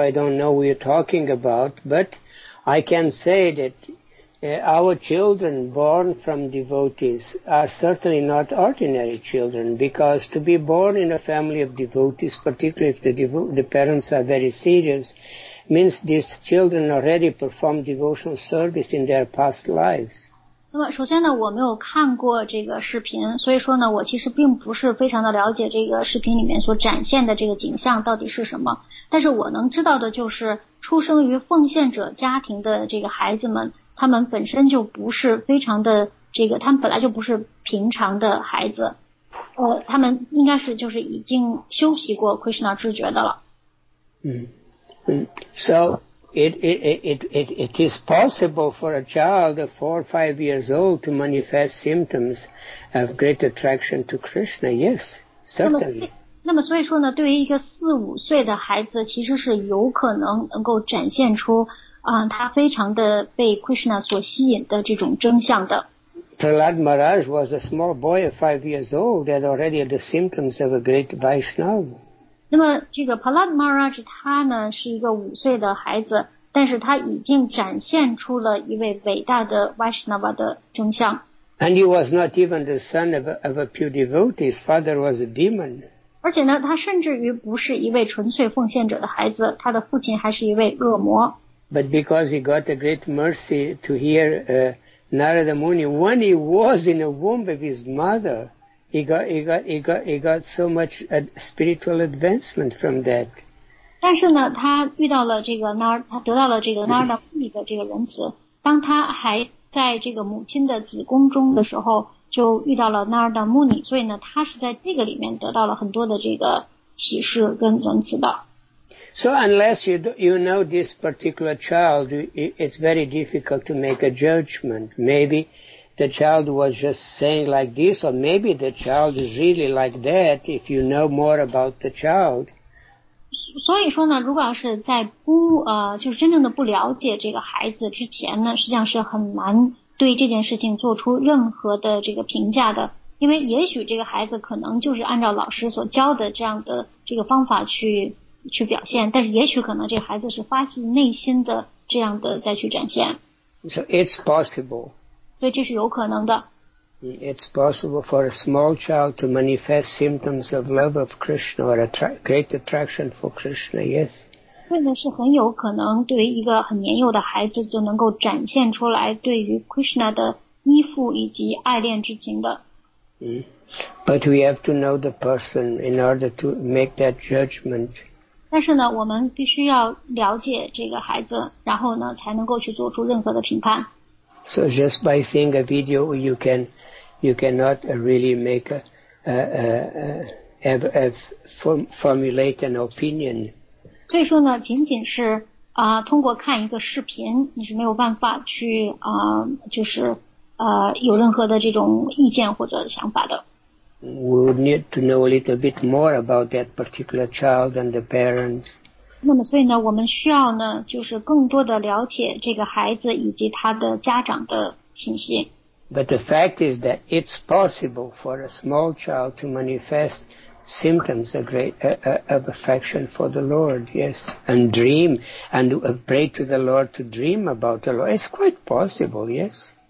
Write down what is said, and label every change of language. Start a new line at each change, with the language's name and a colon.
English: I don't know what you're talking about. But I can say that our children born from devotees are certainly not ordinary children, because to be born in a family of devotees, particularly if the parents are very serious, means these children already performed devotional service in their past lives.
Chinese: 那么首先呢，我没有看过这个视频，所以说呢，我其实并不是非常的了解这个视频里面所展现的这个景象到底是什么。但是我能知道的就是，出生于奉献者家庭的这个孩子们，他们本身就不是非常的这个，他们本来就不是平常的孩子，他们应该是就是已经修习过 Krishna 知觉的了。
English: 嗯嗯 ，So. It is possible for a child of 4 or 5 years old to manifest symptoms of great attraction to Krishna. Yes, certainly.
Chinese: 那么所以说呢，对于一个四五岁的孩子，其实是有可能能够展现出他非常的被 Krishna 所吸引的这种征象的。
English: Prahlad Maharaj was a small boy of 5 years old that already had the symptoms of a great Vaishnava.
Chinese: 那么这个 Prahlad Maharaj 他呢是一个五岁的孩子，但是他已经展现出了一位伟大的 Vaishnava 的征象。
English: And he was not even the son of a pure devotee. His father was a demon.
Chinese: 而且呢，他甚至于不是一位纯粹奉献者的孩子，他的父亲还是一位恶魔。
English: But because he got a great mercy to hear Narada Muni when he was in the womb of his mother. He got so much spiritual advancement from that.
Chinese: 但是呢，他遇到了这个那儿，他得到了这个那儿的父的这个仁慈。当他还在这个母亲的子宫中的时候，就遇到了那儿的穆尼，所以呢，他是在这个里面得到了很多的这个启示跟仁慈的。
English: So unless you know this particular child, it's very difficult to make a judgment. Maybe. the child was just saying like this, or maybe the child is really like that if you know more about the child.
Chinese: 所以说呢，如果要是在不就是真正的不了解这个孩子之前呢，实际上是很难对这件事情做出任何的这个评价的，因为也许这个孩子可能就是按照老师所教的这样的这个方法去表现，但是也许可能这个孩子是发自内心的这样的再去展现。
English: So it's possible.
Chinese: 所以这是有可能的。
English: It's possible for a small child to manifest symptoms of love of Krishna or a great attraction for Krishna, yes.
Chinese: 真的是很有可能对于一个很年幼的孩子就能够展现出来对于 Krishna 的依附以及爱恋之情的。
English: But we have to know the person in order to make that judgment.
Chinese: 但是呢，我们必须要了解这个孩子，然后呢，才能够去做出任何的评判。
English: So just by seeing a video, you cannot really make formulate an opinion.
Chinese: 所以说呢，仅仅是通过看一个视频，你是没有办法去就是有任何的这种意见或者想法的。
English: We need to know a little bit more about that particular child and the parents.
Chinese: 那么所以呢我们需要呢就是更多的了解这个孩子以及他的家长的信息。
English: But the fact is that it's possible for a small child to manifest symptoms of affection for the Lord, yes, and dream, and pray to the Lord to dream about the Lord. It's quite possible, yes.